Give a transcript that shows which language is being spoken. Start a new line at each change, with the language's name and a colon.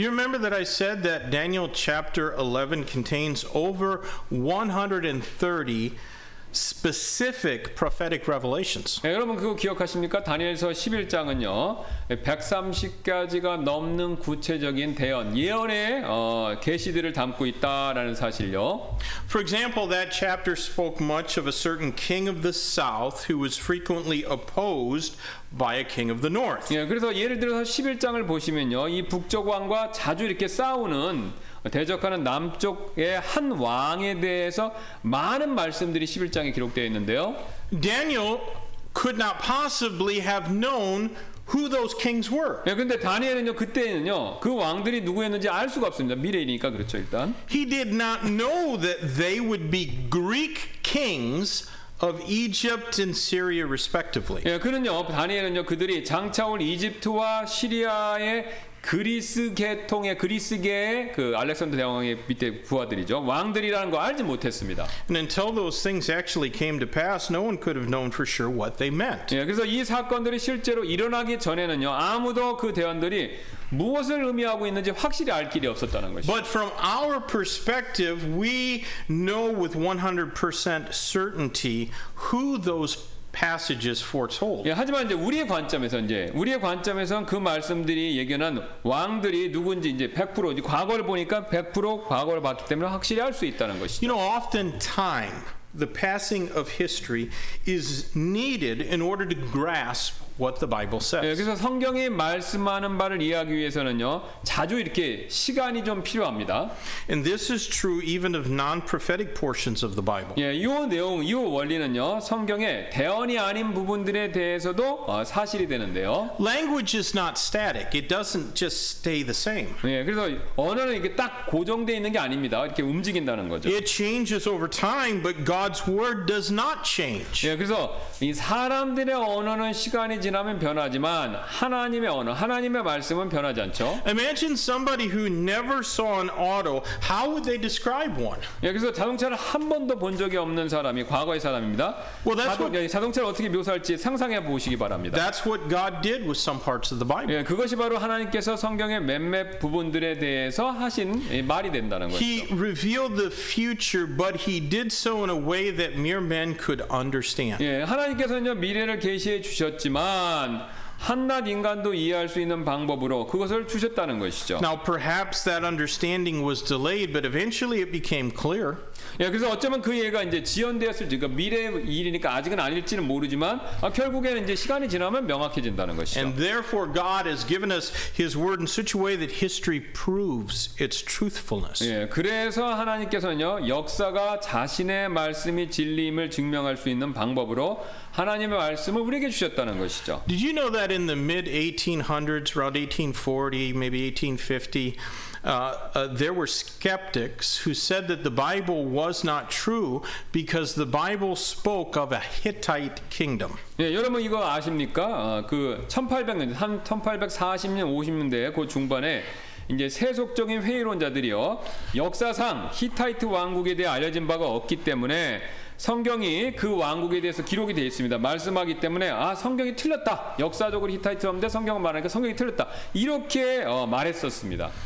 English: Do you remember that I said that Daniel chapter 11 contains over 130 specific prophetic revelations?
Korean: 네, 여러분 그거 기억하십니까? 다니엘서 11장은요 130가지가 넘는 구체적인 대언, 예언의 계시들을 담고 있다라는 사실요.
English: For example, that chapter spoke much of a certain king of the south who was frequently opposed by a king of the north.
Korean: 예, 그래서 예를 들어서 11장을 보시면요, 이 북쪽 왕과 자주 이렇게 싸우는 대적하는 남쪽의 한 왕에 대해서 많은 말씀들이 11장에 기록되어 있는데요.
English: Daniel could not possibly have known who those kings were.
Korean: 예, 근데 다니엘은요, 그때는요, 그 왕들이 누구였는지 알 수가 없습니다. 미래이니까 그렇죠, 일단.
English: He did not know that they would be Greek kings of Egypt and Syria respectively.
Korean: 예, 그는요, 다니엘은요, 그들이 장차 올 이집트와 시리아의 그리스 계통의 그리스계의 그 알렉산더 대왕의 밑에 부하들이죠. 왕들이라는 거 알지 못했습니다.
English: And until those things actually came to pass, no one could have known for sure what they meant.
Korean: 예, 그래서 이 사건들이 실제로 일어나기 전에는요, 아무도 그 대원들이 무엇을 의미하고 있는지 확실히 알 길이 없었다는 것이죠.
English: But from our perspective, we know with 100% certainty who those passages foretold.
Korean: 예, 하지만 이제 우리의 관점에선 그 말씀들이 예견한 왕들이 누군지 이제 100% 이제 과거를 보니까 100% 과거를 봤기 때문에 확실히 알 수 있다는 것이죠.
English: You know, often time, the passing of history is needed in order to grasp what the Bible says.
Korean: 예, 그래서 성경이 말씀하는 바를 이해하기 위해서는요, 자주 이렇게 시간이 좀 필요합니다.
English: And this is true even of non-prophetic portions of the Bible.
Korean: 예, 이 내용, 이 원리는요, 성경의 대언이 아닌 부분들에 대해서도 사실이 되는데요.
English: Language is not static. It doesn't just stay the same.
Korean: 예, 그래서 언어는 이렇게 딱 고정돼 있는 게 아닙니다. 이렇게 움직인다는 거죠.
English: It changes over time, but God's word does not change.
Korean: 예, 그래서 이 사람들의 언어는 시간 지나면 변하지만 하나님의 언어, 하나님의 말씀은 변하지 않죠.
English: Imagine somebody who never saw an auto. How would they describe one?
Korean: 예, 그래서 자동차를 한 번도 본 적이 없는 사람이 과거의 사람입니다.
English: Well, that's
Korean: 자동차를 어떻게 묘사할지 상상해 보시기 바랍니다.
English: That's what God did with some parts of the Bible.
Korean: 예, 그것이 바로 하나님께서 성경의 몇몇 부분들에 대해서 하신 말이 된다는 거죠.
English: He revealed the future, but he did so in a way that mere men could understand.
Korean: 예, 하나님께서는요 미래를 계시해 주셨. 하지만 한낱 인간도 이해할 수 있는 방법으로 그것을 주셨다는 것이죠.
English: Now perhaps that understanding was delayed, but eventually it became clear.
Korean: 예, 그래서 어쩌면 그 이해가 이제 지연되었을지, 그러니까 미래 일이니까 아직은 아닐지는 모르지만 결국에는 이제 시간이 지나면 명확해진다는 것이죠.
English: And therefore God has given us His word in such a way that history proves its truthfulness.
Korean: 예, 그래서 하나님께서는요 역사가 자신의 말씀이 진리임을 증명할 수 있는 방법으로 하나님의 말씀을 우리에게 주셨다는 것이죠.
English: Did you know that in the mid 1800s, around 1840, maybe 1850? There were skeptics who said that the Bible was not true because the Bible spoke of a Hittite kingdom.
Korean: 예, 여러분 이거 아십니까? 그 1800년, 한 1840년, 50년대 그 중반에 이제 세속적인 회의론자들이요 역사상 히타이트 왕국에 대해 알려진 바가 없기 때문에 성경이 그 왕국에 대해서 기록이 되어 있습니다. 말씀하기 때문에 아 성경이 틀렸다. 역사적으로 히타이트인데 성경을 말하니까 성경이 틀렸다. 이렇게 말했었습니다.